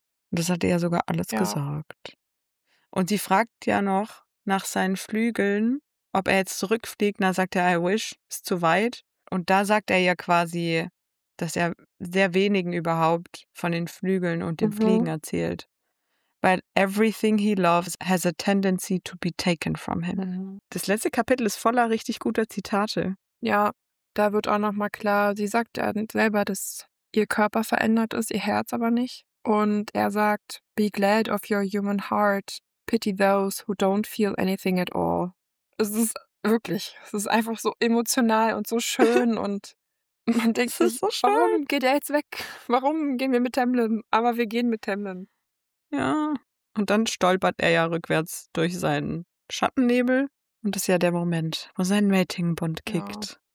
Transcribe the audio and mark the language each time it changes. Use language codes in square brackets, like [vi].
[de] Das hat er sogar alles gesagt. Und sie fragt ja noch nach seinen Flügeln, ob er jetzt zurückfliegt. Da sagt er, [en] I wish, [de] ist zu weit. Und da sagt er ja quasi, dass er sehr wenigen überhaupt von den Flügeln und dem Fliegen erzählt. Weil [en] everything he loves has a tendency to be taken from him. Mhm. [de] Das letzte Kapitel ist voller richtig guter Zitate. Ja, da wird auch nochmal klar, sie sagt ja selber, dass ihr Körper verändert ist, ihr Herz aber nicht. Und er sagt, [en] be glad of your human heart, pity those who don't feel anything at all. [de] Es ist wirklich, es ist einfach so emotional und so schön und man denkt sich, so schön. Warum geht er jetzt weg? Warum gehen wir mit Tamlin? Aber wir gehen mit Tamlin. Ja, und dann stolpert er ja rückwärts durch seinen Schattennebel und das ist ja der Moment, wo sein Matingbund kickt.